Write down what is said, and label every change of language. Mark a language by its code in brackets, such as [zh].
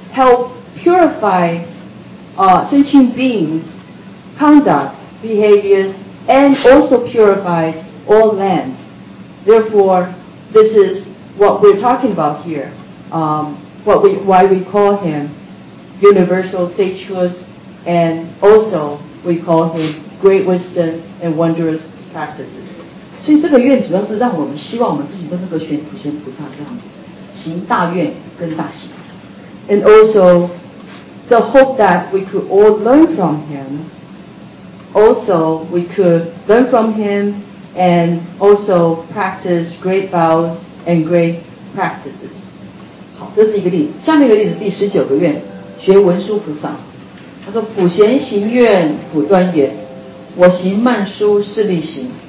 [en] help purify sentient beings' conduct, behaviors, and also purify all land. Therefore, this is what we're talking about here, why we call him universal sagehood, and also we call him great wisdom and wondrous practices. [zh] 所以这个愿主要是让我们希望我们自己都能够学普贤菩萨这样子，行大愿跟大喜。 [en] And also the hope that we could all learn from him. Also we could learn from him and also practice great vows and great practices. [zh] 好，这是一个例子。下面一个例子，第十九个愿，学文殊菩萨。他说：普贤行愿普端也，我行曼殊势力行。